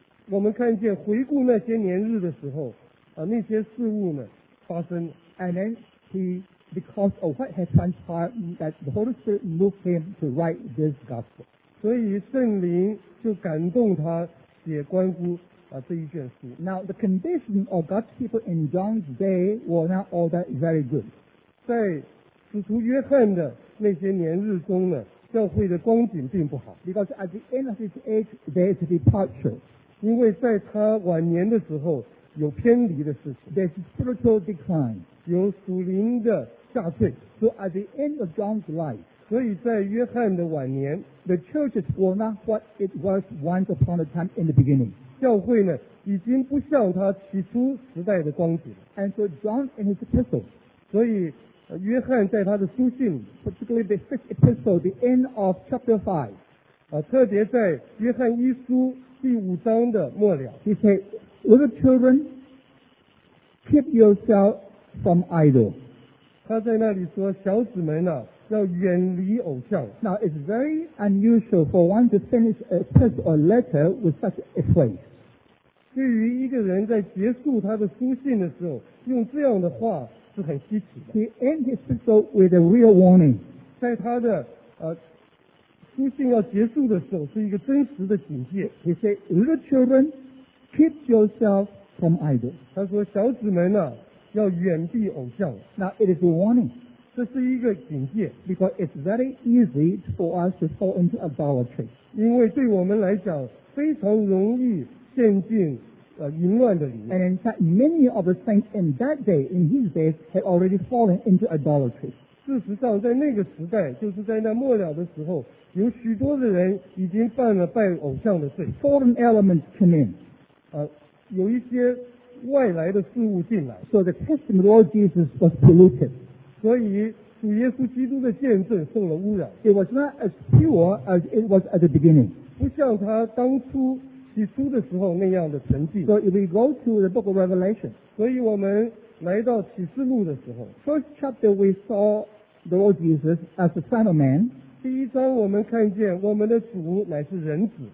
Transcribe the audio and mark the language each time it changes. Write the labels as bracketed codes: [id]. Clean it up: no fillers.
[zh] 我们看见回顾那些年日的时候那些事物呢发生 [en] And then he because of what had transpired that the Holy Spirit moved him to write this gospel [zh] 所以圣灵就感动他写关乎这一卷书 [en] Now the condition of God's people in John's day were not all that very good [zh] 在使徒约翰的那些年日中呢教会的光景并不好 [en] Because at the end of his age there is a departure [zh] 因为在他晚年的时候有偏离的事情 [en] There's spiritual decline [zh] 有属灵的下坠 [en] So at the end of John's life [zh] 所以在约翰的晚年 [en] The churches were not what it was once upon a time in the beginning [zh] 教会呢已经不像他起初时代的光景 [en] And so John in his epistle [zh] 所以约翰在他的书信 [en] Particularly the fifth epistle The end of chapter 5 [zh] 特别在约翰一书第五章的末了 [en] He said Little children Keep yourself from idol [zh] 他在那里说小子们啊要远离偶像 [en] Now it's very unusual for one to finish a text or letter with such a phrase [zh] 对于一个人在结束他的书信的时候用这样的话是很稀奇的 [en] He ends his letter with a real warning [zh] 在他的书信要结束的时候是一个真实的警戒 [en] He said Little children Keep yourself from idols [zh] 他说小子们啊要远避偶像 [en] Now it is a warning [zh] 这是一个警戒 [en] Because it's very easy for us to fall into idolatry [zh] 因为对我们来讲非常容易陷进淫乱的里面 [en] And in fact many of the saints in that day in his days had already fallen into idolatry [zh] 事实上在那个时代，就是在那末了的时候，有许多的人已经犯了拜偶像的罪。 [en] Foreign elements come in. [zh] 有一些外来的事物进来。 [en] So the testimony of Jesus was polluted. [zh] 所以主耶稣基督的见证受了污染。 [en] It was not as pure as it was at the beginning. [zh] 不像他当初起初的时候那样的纯净。 [en] So if we go to the book of Revelation. [zh] 所以我们来到启示录的时候 [en] First chapter we saw the Lord Jesus as the Son of Man. [zh] 第一章我们看见我们的主乃是人子。